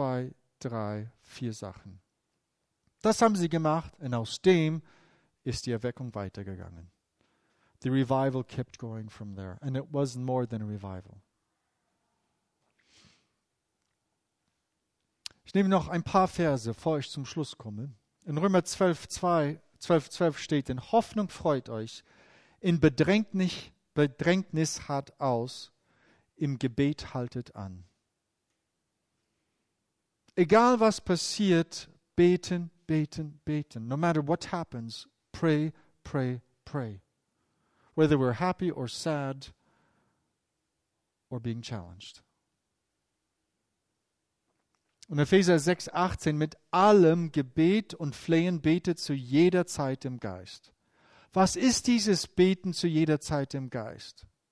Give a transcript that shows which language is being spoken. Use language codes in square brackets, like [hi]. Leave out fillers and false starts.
[de] 1, 2, 3, 4 Sachen. Das haben sie gemacht und aus dem ist die Erweckung weitergegangen. [en] The revival kept going from there and it wasn't more than a revival. [de] Ich nehme noch ein paar Verse, bevor ich zum Schluss komme. In Römer 12,12 steht: In Hoffnung freut euch, in Bedrängnis hart aus, im Gebet haltet an. Egal was passiert, beten, beten, beten. [en] No matter what happens, pray, pray, pray. Whether we're happy or sad or being challenged. [de] Und Epheser 6, 18, mit allem Gebet und Flehen betet zu jeder Zeit im Geist. Was ist dieses Beten zu jeder Zeit im Geist?